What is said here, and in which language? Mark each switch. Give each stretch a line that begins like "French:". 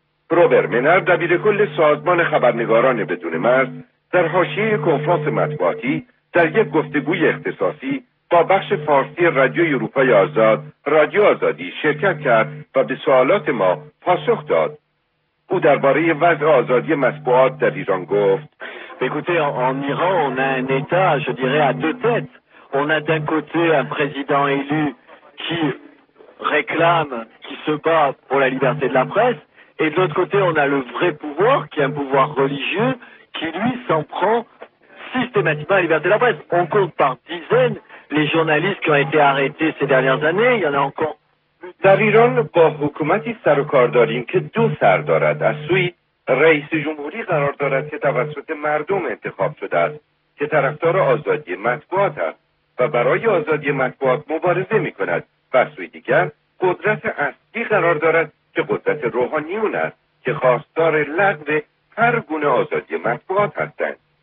Persian: روبر منر دبیر کل سازمان خبرنگاران بدون مرز در حاشیه کنفرانس مطبوعاتی در یک گفتگوی اختصاصی با بخش فارسی رادیو اروپای آزاد رادیو آزادی شرکت کرد و به سوالات ما پاسخ داد. او درباره وضع آزادی مطبوعات در ایران گفت:
French: écoutez, en Iran on a un état, je dirais à deux têtes. On a d'un côté un président élu qui qui réclame, qui se bat pour la liberté de la presse, et de l'autre côté, on a le vrai pouvoir, qui est un pouvoir religieux, qui, lui, s'en prend systématiquement à la liberté de la presse. On compte par dizaines les journalistes qui ont été arrêtés ces dernières années, il y en a encore.
Persian: در ایران با حکومتی سر و کار داریم که دو سر دارد. از سوی رئیس جمهوری قرار دارد که توسط مردم انتخاب شده است که طرفدار آزادی مطبوعات است و برای آزادی مطبوعات مبارزه می کند و از سوی دیگر قدرت اصلی قرار دارد که قدرت روحانیون است که خواستار لغو هر گونه آزادی مطبوعات هستند.